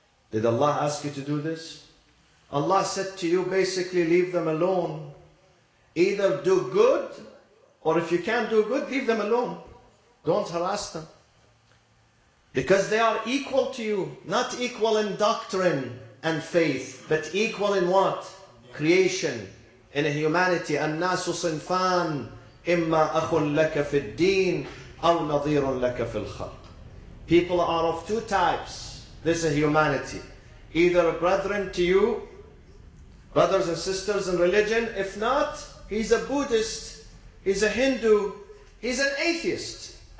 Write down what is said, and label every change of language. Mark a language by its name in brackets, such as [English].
[English] Did Allah ask you to do this? Allah said to you, basically, leave them alone. Either do good, or if you can't do good, leave them alone. Don't harass them. Because they are equal to you, not equal in doctrine and faith, but equal in what? Creation, in humanity. [Arabic] النَّاسُ صِنْفَانُ إِمَّا أَخٌ لَكَ فِي الدِّينِ أَوْ نَظِيرٌ لَكَ فِي الْخَلْقِ. [English] People are of two types. This is humanity. Either brethren to you, brothers and sisters in religion. If not, he's a Buddhist, he's a Hindu, he's an atheist.